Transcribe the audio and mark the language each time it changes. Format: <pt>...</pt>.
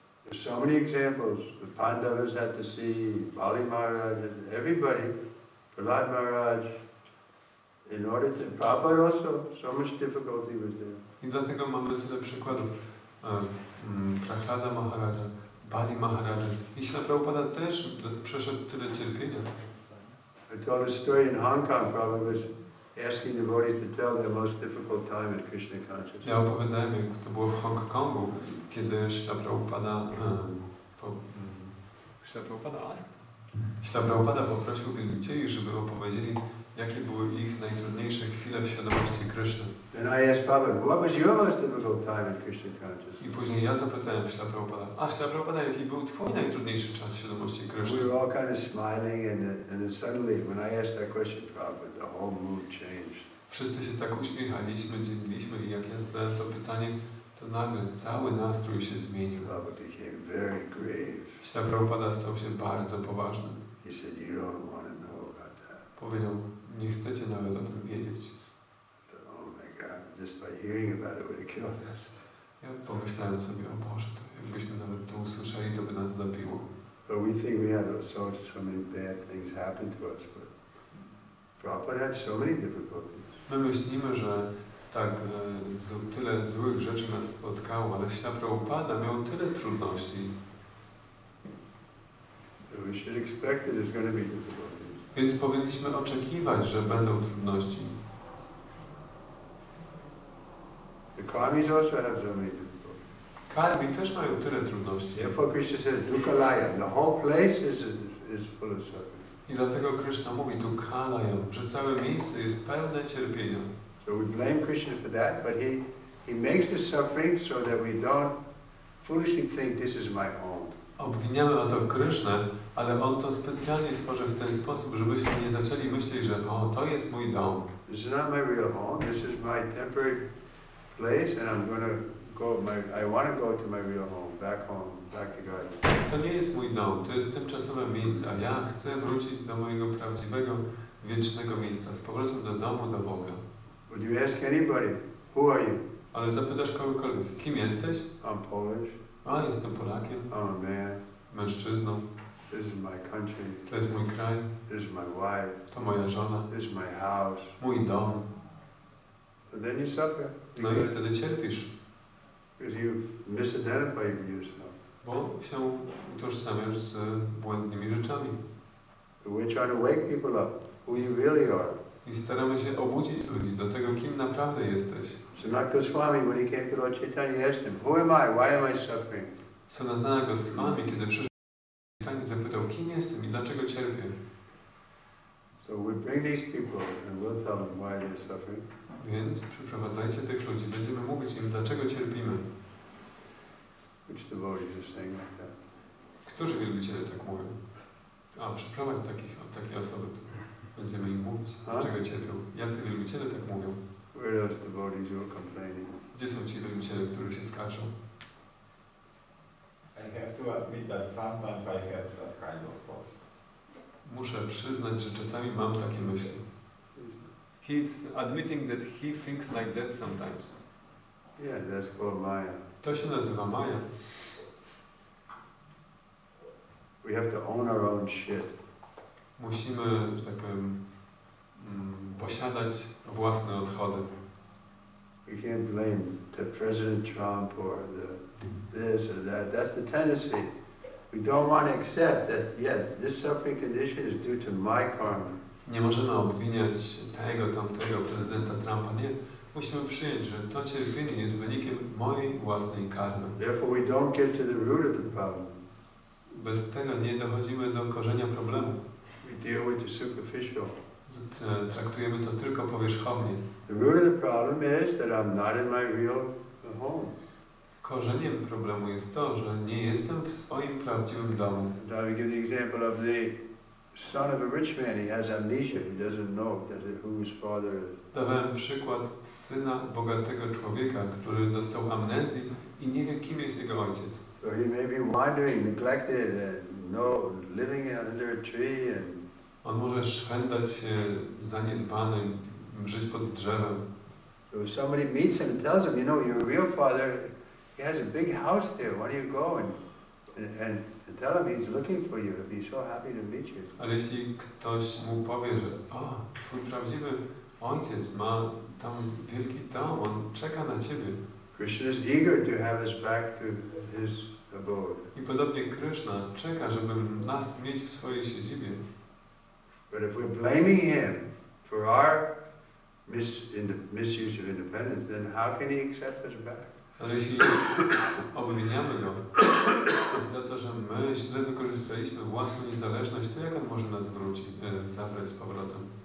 <en>There's so many examples. The Pandavas had to see Bali Maharaj and everybody, Prahlad Maharaj. In order to Prabhupada also, so much difficulty was there.</en> <pl>I dlatego mamy tyle przykładów. Prahlada Maharaja, Bali Maharaja. I Śla Prabhupada też przeszedł tyle cierpienia.</pl> <en>I told a story in Hong Kong, Prabhupada was asking devotees to tell their most difficult time in Krishna consciousness.</en> <pl>Ja opowiadałem, jak to było w Hong Kongu, kiedy Śla Prabhupada Śla Prabhupada poprosił wielbicieli, żeby opowiedzieli, jakie były ich najtrudniejsze chwile w świadomości Krishna.</pl> <en>Then I asked Prabhupada, what was your most difficult time in Krishna consciousness?</en> <pl>I później ja zapytałem Śla Prabhupada, a Śla Prabhupada, jaki był twój najtrudniejszy czas w świadomości Krishna?</pl> <en>We were all kind of smiling and then suddenly when I asked that question Prabhupada, the whole mood changed.</en> <pl>Wszyscy się tak uśmiechaliśmy, dzieliliśmy i jak ja zadałem to pytanie, to nagle cały nastrój się zmienił.</pl> <en>Prabhupada became very grave.</en> <pl>Śla Prabhupada stał się bardzo poważny.</pl> <en>He said, you don't want to know about that.</en> <pl>Powiedział, nie chcecie nawet o tym wiedzieć.</pl> <en>Oh my God, just by hearing about it would have killed us.</en> <pl>Ja pomyślałem sobie, o Boże, to jakbyśmy nawet to usłyszeli, to by nas zabiło.</pl> <en>But we think we have so many bad things happen to us, but Prabhupada had so many difficulties.</en> <pl>My myślimy, że tak tyle złych rzeczy nas spotkało, ale Śla Prabhupada miał tyle trudności.</pl> <en>We should expect that it's going to be difficult.</en> <pl>Więc powinniśmy oczekiwać, że będą trudności.</pl> <en>Swami's also have so many difficulties.</en> <pl>Karmi też mają tyle trudności.</pl> <en>Therefore Krishna says, Dukalayam, the whole place is full of suffering.</en> <pl>I dlatego Krishna mówi Dukalayam, że całe miejsce jest pełne cierpienia.</pl> <en>So we blame Krishna for that, but he makes the suffering so that we don't foolishly think this is my home.</en> <pl>Obwiniamy o to Krishnę, ale on to specjalnie tworzy w ten sposób, żebyśmy nie zaczęli myśleć, że o, to jest mój dom.</pl> <en>This is not my real home. This is my temporary place, and I'm going to go. I want to go to my real home, back to God.</en> <pl>To nie jest mój dom. To jest tymczasowe miejsce, a ja chcę wrócić do mojego prawdziwego, wiecznego miejsca, z powrotem do domu, do Boga.</pl> <en>Would you ask anybody, who are you?</en> <pl>Ale zapytasz kogokolwiek, kim jesteś?</pl> <en>I'm Polish.</en> <pl>A, jestem Polakiem.</pl> <en>I'm a man.</en> <pl>Mężczyzną.</pl> <en>This is my country.</en> <pl>To jest mój kraj.</pl> <en>This is my wife.</en> <pl>To moja żona.</pl> <en>This is my house.</en> <pl>Mój dom.</pl> <en>But then you suffer.</en> <pl>No i wtedy cierpisz.</pl> <en>Because you misidentify yourself.</en> <pl>Bo się utożsamiasz z błędnymi rzeczami.</pl> <en>We're trying to wake people up, who you really are.</en> <pl>I staramy się obudzić ludzi do tego, kim naprawdę jesteś.</pl> <en>Sanat Goswami, when he came to Lord Chaitanya, asked him, who am I? Why am I suffering?</en> <pl>Sanatana Goswami, kiedy przyszedł Chaitanya, zapytał, kim jestem i dlaczego cierpię?</pl> <en>So we bring these people and we'll tell them why they're suffering.</en> <pl>Więc przyprowadzajcie tych ludzi, będziemy mówić im, dlaczego cierpimy.</pl> <en>Which devotees are saying like that?</en> <pl>Którzy wielbiciele tak mówią? A przyprowadź takich, od takiej osoby. Będziemy im mówić, dlaczego cierpią. Jacy wielbiciele tak mówią.</pl> <en>Where are the bodies who are complaining?</en> <pl>Gdzie są ci wielbiciele, którzy się skarżą?</pl> <en>I have to admit that sometimes I have that kind of thoughts.</en> <pl>Muszę przyznać, że czasami mam takie myśli.</pl> <en>He's admitting that he thinks like that sometimes. Yeah, that's called Maya.</en> <pl>To się nazywa Maya.</pl> <en>We have to own our own shit.</en> <pl>Musimy, że tak powiem, posiadać własne odchody.</pl> <en>We can't blame the President Trump or the this or that. That's the tendency. We don't want to accept that, yeah, this suffering condition is due to my karma.</en> <pl>Nie możemy obwiniać tego, tamtego prezydenta Trumpa, nie. Musimy przyjąć, że to cierpienie jest wynikiem mojej własnej karmy.</pl> <en>Therefore we don't get to the root of the problem.</en> <pl>Bez tego nie dochodzimy do korzenia problemu.</pl> <en>Deal with the superficial.</en> <pl>Traktujemy to tylko powierzchownie.</pl> <en>The root of the problem is that I'm not in my real home.</en> <pl>Korzeniem problemu jest to, że nie jestem w swoim prawdziwym domu.</pl> <en>Now we give the example of the son of a rich man. He has amnesia. He doesn't know who his father is.</en> <pl>Dawałem przykład syna bogatego człowieka, który dostał amnezję i nie wie, kim jest jego ojciec.</pl> <en>So he may be wandering, neglected, and no living under a tree and.</en> <pl>On może szwendać się zaniedbany, żyć pod drzewem.</pl> <en>So if somebody meets him and tells him, you know, your real father, he has a big house there, why do you go and tell him he's looking for you, he'll be so happy to meet you.</en> <pl>Ale jeśli ktoś mu powie, że o, twój prawdziwy ojciec ma tam wielki dom, on czeka na ciebie.</pl> <en>Krishna is eager to have us back to his abode.</en> <pl>I podobnie Krishna czeka, żeby nas mieć w swojej siedzibie.</pl> <en>But if we're blaming him for our misuse of independence, then how can he accept us back?</en> <pl>Ale jeśli obwiniamy go za to, że my źle wykorzystaliśmy własną niezależność, to jak on może nas wrócić, zabrać z powrotem?</pl>